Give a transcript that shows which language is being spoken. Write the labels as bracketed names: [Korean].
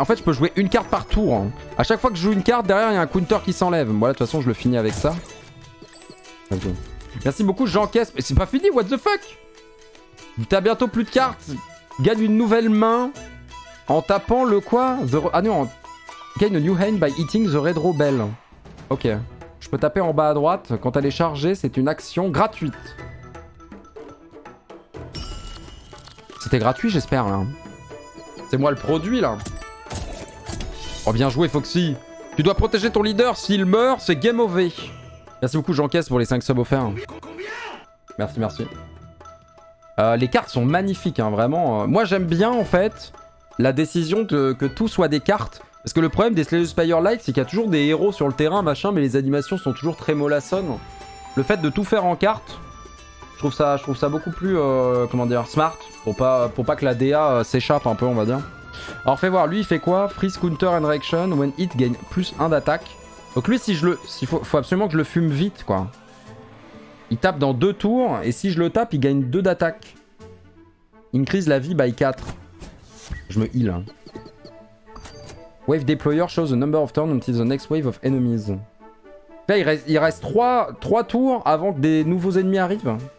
[French] En fait, je peux jouer une carte par tour. Hein. À chaque fois que je joue une carte, derrière il y a un counter qui s'enlève. Voilà, de toute façon, je le finis avec ça. Vas-y. Merci beaucoup, j'encaisse. Mais c'est pas fini, [English] what the fuck? [French] T'as bientôt plus de cartes. Gagne une nouvelle main en tapant le quoi? Gagne [English] a new hand by eating the red rebel. [French] Ok. Je peux taper en bas à droite. Quand elle est chargée, c'est une action gratuite. C'était gratuit, j'espère, là. C'est moi le produit, là. Oh, bien joué, Foxy. Tu dois protéger ton leader. S'il meurt, c'est game over. Merci beaucoup, j'encaisse pour les 5 subs offerts. Merci, merci. Les cartes sont magnifiques, hein, vraiment. Moi, j'aime bien, en fait, la décision de que tout soit des cartes. Parce que le problème des Slay the Spire-like, c'est qu'il y a toujours des héros sur le terrain, machin, mais les animations sont toujours très mollassonnes. Le fait de tout faire en carte, je trouve ça beaucoup plus, comment dire, smart. Pour pas que la DA s'échappe un peu, on va dire. Alors, fais voir, lui, il fait quoi? [English] Freeze, counter and reaction, when hit, gain plus 1 [French] d'attaque. Donc lui, faut absolument que je le fume vite, quoi. Il tape dans 2 tours, et si je le tape, il gagne 2 d'attaque. [English] Increase [French] la vie [English] by 4. [French] Je me heal. [English] Wave deployer shows the number of turns until the next wave of enemies. [French] Là, il reste 3 tours avant que des nouveaux ennemis arrivent.